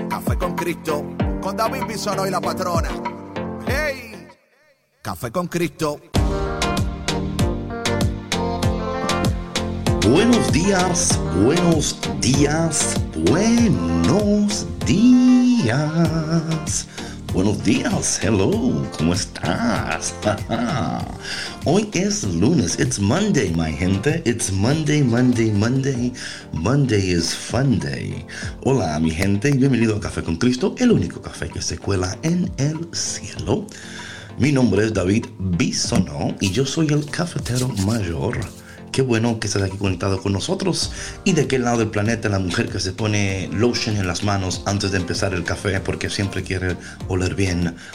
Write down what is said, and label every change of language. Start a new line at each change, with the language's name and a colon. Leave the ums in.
Spanish: Café con Cristo, con David Bison y la patrona. ¡Hey! Café con Cristo. Buenos días, buenos días, buenos días. Buenos días,
English: hello,
Spanish: ¿cómo estás? Hoy es lunes,
English: it's Monday, my gente, it's Monday, Monday, Monday, Monday is fun day.
Spanish: Hola, mi gente, bienvenido a Café con Cristo, el único café que se cuela en el cielo. Mi nombre es David Bisono y yo soy el cafetero mayor qué bueno que estás aquí conectado con nosotros. Y de qué lado del planeta, la mujer que se pone lotion en las manos antes de empezar el café porque siempre quiere oler bien.